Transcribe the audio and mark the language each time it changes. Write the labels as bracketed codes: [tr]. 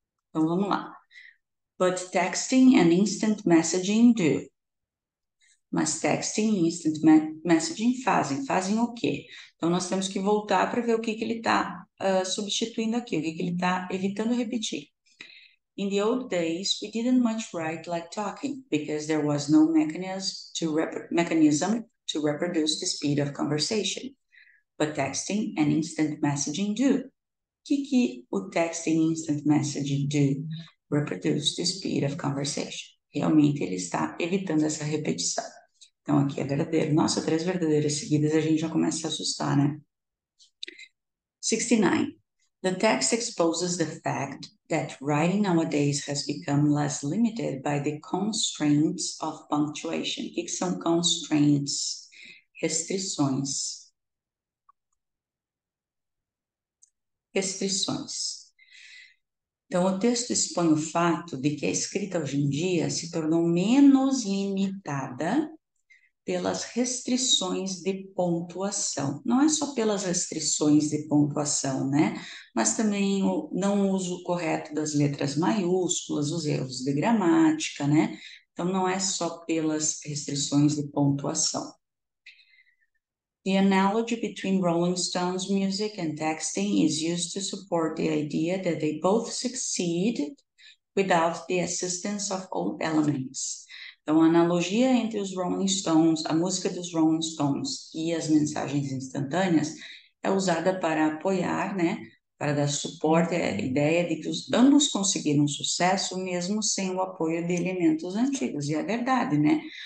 [pt] Então, vamos lá. [en] But texting and instant messaging do. [pt] Mas texting e instant messaging fazem. Fazem o quê? Então, nós temos que voltar para ver o que que ele está substituindo aqui, o que que ele está evitando repetir. [en] In the old days, we didn't much write like talking, because there was no mechanism to reproduce the speed of conversation. But texting and instant messaging do. [pt] Que o [en] texting e instant messaging do? Reproduce the speed of conversation. [pt] Realmente, ele está evitando essa repetição. Então, aqui é verdadeiro. Nossa, três verdadeiras seguidas, a gente já começa a se assustar, né? 69. [en] The text exposes the fact that writing nowadays has become less limited by the constraints of punctuation. [pt] O que são constraints? Restrições. Restrições. Então, o texto expõe o fato de que a escrita hoje em dia se tornou menos limitada pelas restrições de pontuação. Não é só pelas restrições de pontuação, né? Mas também o não uso correto das letras maiúsculas, os erros de gramática, né? Então não é só pelas restrições de pontuação. [en] The analogy between Rolling Stones music and texting is used to support the idea that they both succeed without the assistance of old elements. [pt] Então, a analogia entre os Rolling Stones, a música dos Rolling Stones e as mensagens instantâneas é usada para apoiar, né, para dar suporte à ideia de que os ambos conseguiram sucesso mesmo sem o apoio de elementos antigos. E é verdade, né?